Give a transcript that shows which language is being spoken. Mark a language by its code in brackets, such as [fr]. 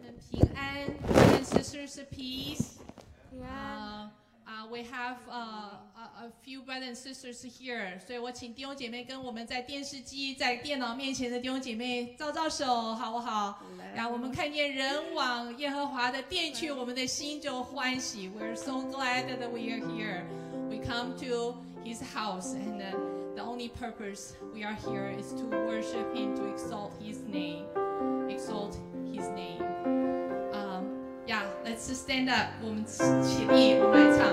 [en] 平安 and sisters of peace. Yeah. We have a few brothers and sisters here. [zh] 所以我请弟兄姐妹跟我们在电视机、在电脑面前的弟兄姐妹照照手，好不好？让我们看见人往耶和华的殿去，我们的心就欢喜。 [en] We're so glad that we are here. We come to His house, and the only purpose we are here is to worship Him, to exalt His name. Exalt His name. Yeah, let's stand up. [zh] 我们起立，我们来唱。